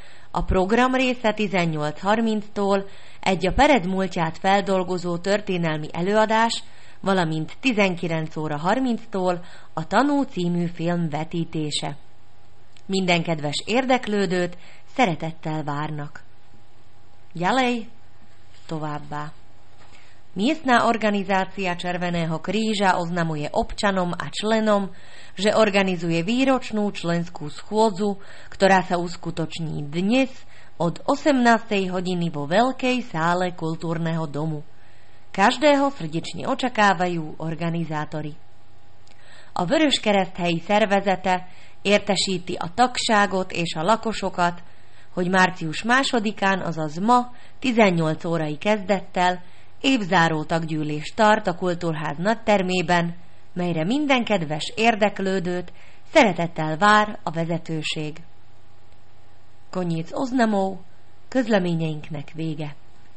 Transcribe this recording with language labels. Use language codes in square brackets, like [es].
[hu] A program része 18.30-tól egy a Pered múltját feldolgozó történelmi előadás, valamint 19.30-tól a Tanú című film vetítése. Minden kedves érdeklődőt szeretettel várnak. [sk] Ďalej, [hu] továbbá. [sk] Miestna organizácia Červeného kríža oznamuje občanom a členom, že organizuje výročnú členskú schôdzu, ktorá sa uskutoční dnes od 18. hodiny vo Veľkej sále kultúrneho domu. Každého srdečne očakávajú organizátori. [hu] A Vöröskereszt helyi szervezete értesíti a tagságot és a lakosokat, hogy március 2-án, azaz ma, 18 órai kezdettel évzáró taggyűlés tart a Kultúrház nagytermében, melyre minden kedves érdeklődőt szeretettel vár a vezetőség. [sk] Konnyíc oznamov, [hu] közleményeinknek vége.